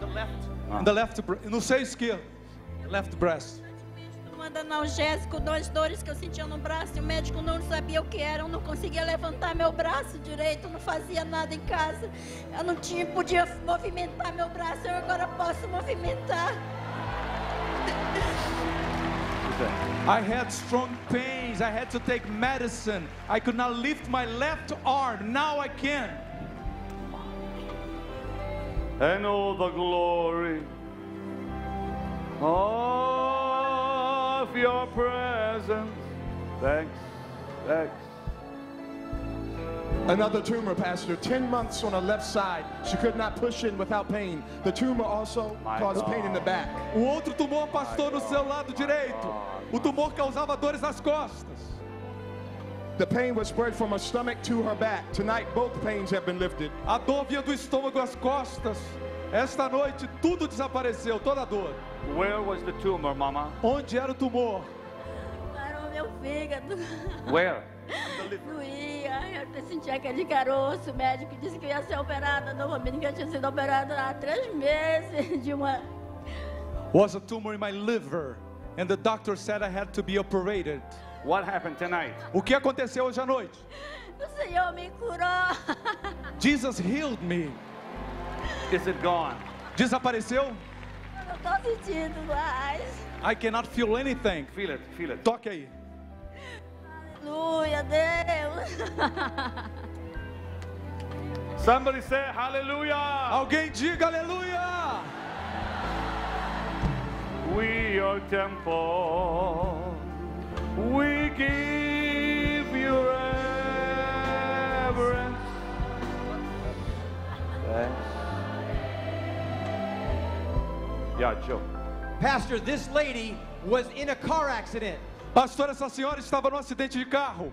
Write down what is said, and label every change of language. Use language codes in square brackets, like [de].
[en] The left. The left, [pt] no seio esquerdo. [en] Left breast. [pt] Manda analgésico, duas dores que eu sentia no braço e o médico não sabia o que era, eu não conseguia levantar meu braço direito, não fazia nada em casa, eu não tinha, podia movimentar meu braço, eu agora posso movimentar. [en] I had strong pains, I had to take medicine, I could not lift my left arm, now I can. And all the glory of your presence. Thanks, thanks. Another tumor, Pastor. 10 months on her left side. She could not push in without pain. The tumor also caused pain in the back. [pt] O outro tumor, Pastor, no seu lado direito. O tumor causava dores nas costas. [en] The pain was spread from her stomach to her back. Tonight, both pains have been lifted. [pt] A dor vinha do estômago às costas. Esta noite, tudo desapareceu, toda a dor. [en] Where was the tumor, Mama? [pt] Onde era o tumor? Era o meu fígado. [en] Where? [pt] Doía, eu sentia aquele caroço. O médico disse que ia ser operada. Não, a menina tinha sido operada há 3 meses de uma. [en] Was a tumor in my liver, and the doctor said I had to be operated. What happened tonight? [pt] O que aconteceu hoje à noite? O Senhor me curou. [en] Jesus healed me. Is it gone? [pt] Desapareceu? Não tô sentindo mais. [en] I cannot feel anything. Feel it, feel it. [pt] Toque aí. Aleluia, Deus. [en] Somebody say hallelujah. [pt] Alguém diga aleluia. [en] We your temple. We give you reverence. Thanks. Yeah, Joe. Pastor, this lady was in a car accident. [pt] Pastor, essa senhora estava num acidente de carro.